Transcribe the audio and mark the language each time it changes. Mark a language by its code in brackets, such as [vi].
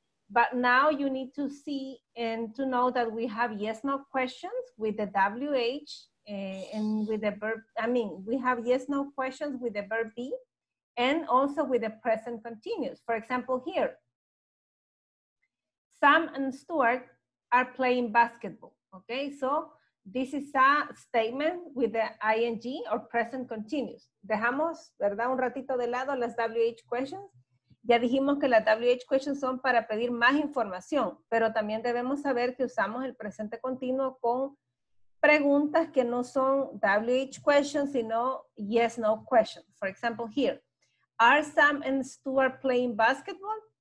[en] But now you need to see and to know that we have yes, no questions with the WH and with the verb, I mean, we have yes, no questions with the verb be and also with the present continuous. For example, here, Sam and Stuart are playing basketball, okay? So this is a statement with the ING or present continuous. [es] Dejamos, ¿verdad? Un ratito de lado las WH questions. Ya dijimos que las WH questions son para pedir más información, pero también debemos saber que usamos el presente continuo con preguntas que no son WH questions, sino yes, no questions. [en] For example, here, are Sam and Stuart playing basketball?